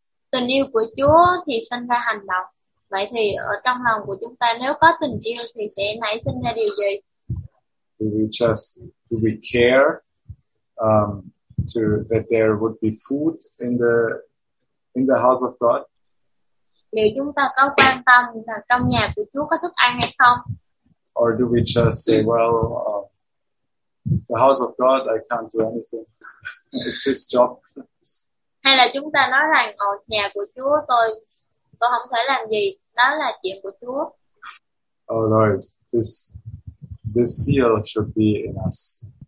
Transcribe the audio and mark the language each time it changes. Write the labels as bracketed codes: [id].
[vi] Tình yêu của Chúa thì sinh ra hành động. Vậy thì ở trong lòng của chúng ta nếu có tình yêu thì sẽ nảy sinh ra điều gì? [en] Do we care to that there would be food in the house of God? [vi] Liệu chúng ta có quan tâm là trong nhà của Chúa có thức ăn hay không? [en] Or do we just say, well, the house of God, I can't do anything. It's his job. [vi] Hay là chúng ta nói rằng ở nhà của Chúa tôi không thể làm gì, đó là chuyện của Chúa. [en] Oh Lord, this seal should be in us.